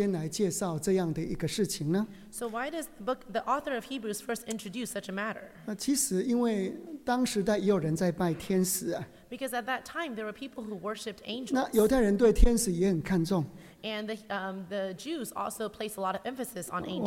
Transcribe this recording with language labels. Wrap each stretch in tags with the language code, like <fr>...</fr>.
<zh>那为什么希伯来书的作者要先来介绍这样的一个事情呢？</zh> <en>So why does the author of Hebrews first introduce such a matter?</en> <zh>其实因为当时代也有人在拜天使啊。</zh> <en>Because at that time, there were people who worshipped angels.</en> <zh>那犹太人对天使也很看重。</zh> <en>And the Jews also place a lot of emphasis on angels.</en>